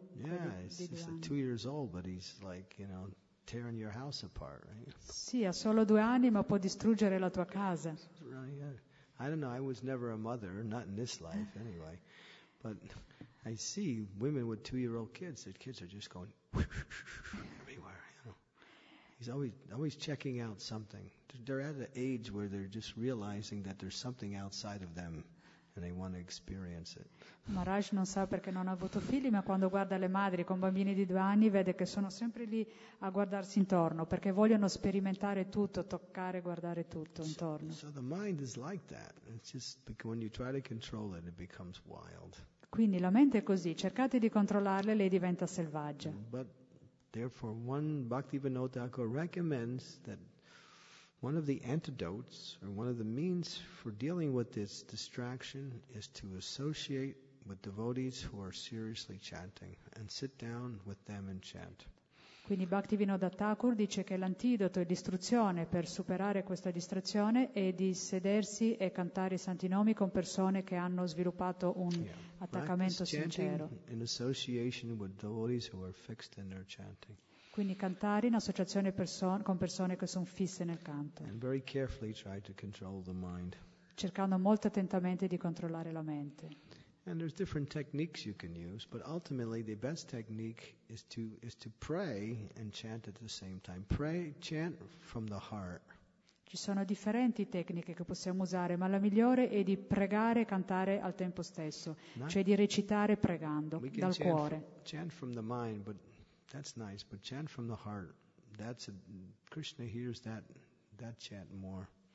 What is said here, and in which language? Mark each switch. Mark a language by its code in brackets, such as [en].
[en] Yeah, he's 2 years old, but he's like, you know, tearing your house apart, right? [it] Sì, ha solo due anni, ma può distruggere la tua casa. [en] I don't know. I was never a mother, not in this life, anyway. But I see women with 2-year-old kids. The kids are just going. Everywhere, you know. He's always checking out something. They're at an age where they're just realizing that there's something outside of them, and they want to experience it. [it] Maharaj non sa perché non ha avuto figli, ma quando guarda le madri con bambini di due anni, vede che sono sempre lì a guardarsi intorno perché vogliono sperimentare tutto, toccare, guardare tutto intorno. [en] So the mind is like that. It's just because when you try to control it, it becomes wild. [it] Quindi la mente è così, cercate di controllarla e lei diventa selvaggia. [en] But therefore one Bhaktivinoda Thakur recommends that one of the antidotes or one of the means for dealing with this distraction is to associate with devotees who are seriously chanting and sit down with them and chant. [it] Quindi Bhaktivinoda Thakur dice che l'antidoto e l'istruzione per superare questa distrazione è di sedersi e cantare i santi nomi con persone che hanno sviluppato un attaccamento sincero. [en] In association with devotees who are fixed in their chanting. [it] Quindi cantare in associazione con persone che sono fisse nel canto. [en] And very carefully try to control the mind. [it] Cercando molto attentamente di controllare la mente. [en] And there's different techniques you can use, but ultimately the best technique is to pray and chant at the same time. Pray, chant from the heart. [it] Ci sono differenti tecniche che possiamo usare, ma la migliore è di pregare e cantare al tempo stesso, cioè di recitare pregando dal cuore. [en] Chant from the mind, but that's nice. But chant from the heart, Krishna hears that chant more.